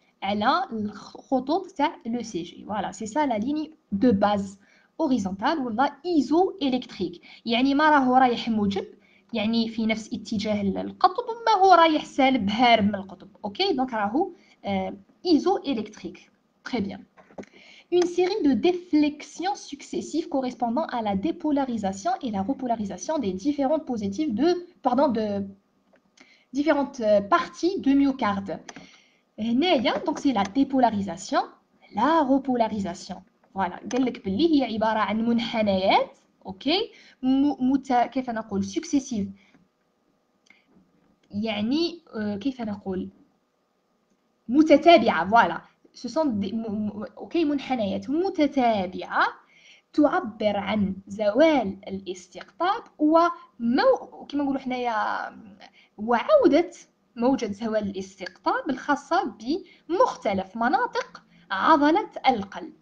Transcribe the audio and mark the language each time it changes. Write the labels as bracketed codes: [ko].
[fr] Elle a le CG. Voilà, c'est ça la ligne de base horizontale ou la isoélectrique. [ar] يعني ما راهو رايح موجب يعني في نفس اتجاه القطب ما هو رايح سالب هارب من القطب. [fr] OK donc [ar] راهو [fr] isoélectrique. Très bien. Une série de déflexions successives correspondant à la dépolarisation et la repolarisation des différentes positives de pardon de différentes parties de myocarde. Donc, c'est la dépolarisation, la repolarisation. Voilà. [ar] قالك بلي هي عبارة عن منحنيات. OK. كيف نقول successive. يعني كيف نقول متتابعة. Voilà. [fr] Ce sont des [ar] OK منحنيات متتابعة تعبر عن زوال الاستقطاب وكما نقولوا حنايا وعودة موجة زوال الاستقطاب الخاصة بمختلف مناطق عضلة القلب.